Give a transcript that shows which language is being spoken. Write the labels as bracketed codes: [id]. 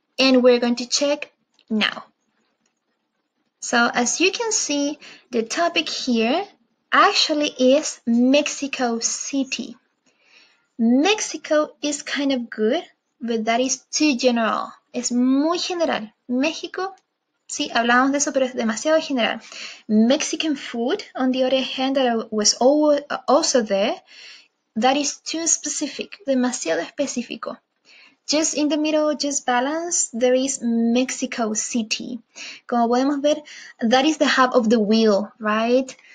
[en] And we're going to check now. So as you can see, the topic here actually is Mexico City. Mexico is kind of good, but that is too general. [es] Es muy general. México, sí, hablamos de eso, pero es demasiado general. [en] Mexican food, on the other hand, that was also there, that is too specific, [es] demasiado específico. [en] Just in the middle, just balance, there is Mexico City. [es] Como podemos ver, [en] that is the hub of the wheel, right?